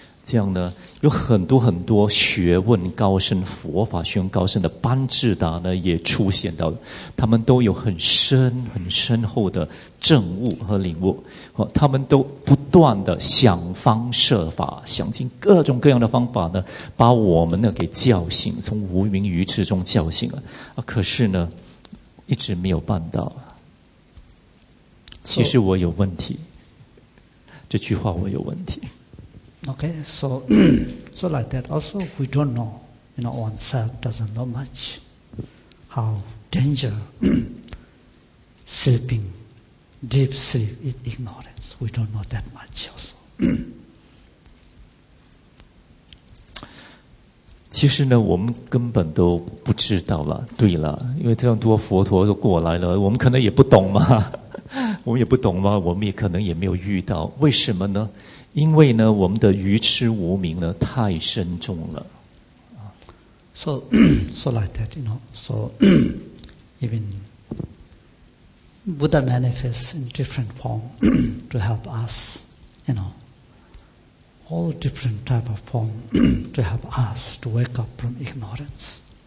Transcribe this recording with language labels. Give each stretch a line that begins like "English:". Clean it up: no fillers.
Chinese: 这样呢，有很多很多学问高深，佛法学问高深的班智达呢也出现到了，他们都有很深很深厚的证悟和领悟，他们都不断的想方设法，想尽各种各样的方法呢把我们呢给叫醒，从无名愚痴中叫醒了，可是呢一直没有办到。其实我有问题、这句话我有问题。
English: Okay, so, so like that also we don't know, you know, oneself doesn't know much how danger sleeping, deep sleep in ignorance, we don't know that much also.
Chinese: 其实呢我们根本都不知道了，对了，因为这样多佛陀都过来了，我们可能也不懂嘛，我们也不懂嘛，我们也可能也没有遇到，为什么呢？因为呢我们的愚痴无明呢太深重了。
English: So so like that, you know, so even Buddha manifests in different form to help us, you know, all different type of form to help us to wake up from ignorance.